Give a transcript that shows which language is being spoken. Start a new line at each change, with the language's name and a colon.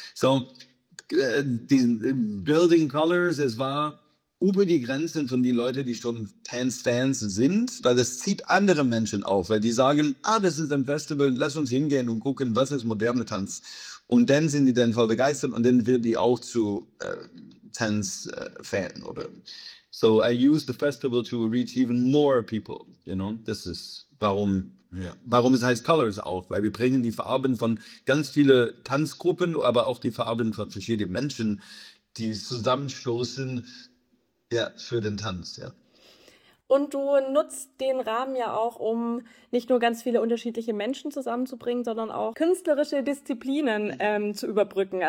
German: So, Building Colors, es war über die Grenzen von den Leuten, die schon Fans sind, weil das zieht andere Menschen auf, weil die sagen, ah, das ist ein Festival, lass uns hingehen und gucken, was ist moderne Tanz. Und dann sind die dann voll begeistert und dann wird die auch zu Tanz-Fan, oder?
English: So, I use the festival to reach even more people, you know?
German: Das ist warum es heißt Colors auch, weil wir bringen die Farben von ganz vielen Tanzgruppen, aber auch die Farben von verschiedenen Menschen, die zusammenstoßen, ja, für den Tanz, ja. Und du nutzt den Rahmen ja auch, um nicht nur ganz viele unterschiedliche Menschen zusammenzubringen, sondern auch künstlerische Disziplinen zu überbrücken.